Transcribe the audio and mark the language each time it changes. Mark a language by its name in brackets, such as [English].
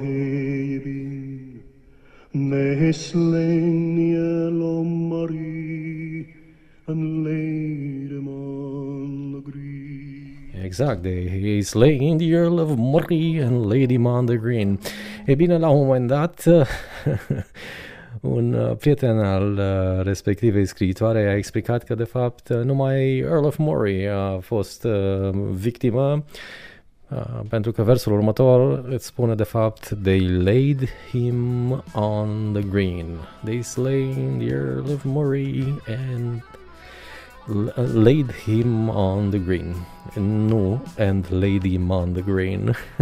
[English] May slain the Earl of Moray and laid him on the green. Exact, he slain the Earl of Moray and laid him on the green. [Romanian] E bine, la un moment dat, un prieten al respectivei scriitoare a explicat că, de fapt, numai Earl of Moray a fost victimă. Pentru că versul următor îți spune de fapt [English] they laid him on the green, they slain the Earl of Moray and laid him on the green, nu and laid him on the green.